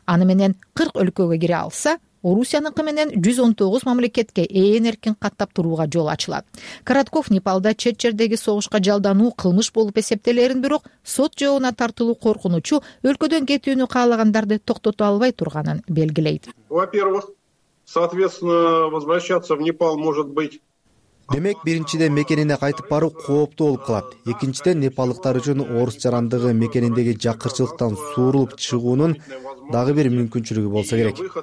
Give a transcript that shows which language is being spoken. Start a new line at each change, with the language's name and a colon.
Kyrgyz: Аны менен 40 өлкөгө кире алса, Орусиянынкы менен 119 мамлекетке ээн эркин каттап турууга жол ачылат. Коротков Непалда чет жердеги согушка жалдануу кылмыш болуп эсептелерин, бирок сот жообуна тартылуу коркунучу өлкөдөн кетүүнү каалагандарды токтото албай турганын белгилейт.
Russian: Во-первых, соответственно, возвращаться в Непал может быть.
Kyrgyz: Демек, биринчиден мекенине кайтып баруу кооптуу болуп калат. Экинчиден, непалдыктар үчүн орус жарандыгы мекениндеги жакырчылыктан суурулуп чыгуунун дагы бир мүмкүнчүлүгү болсо керек.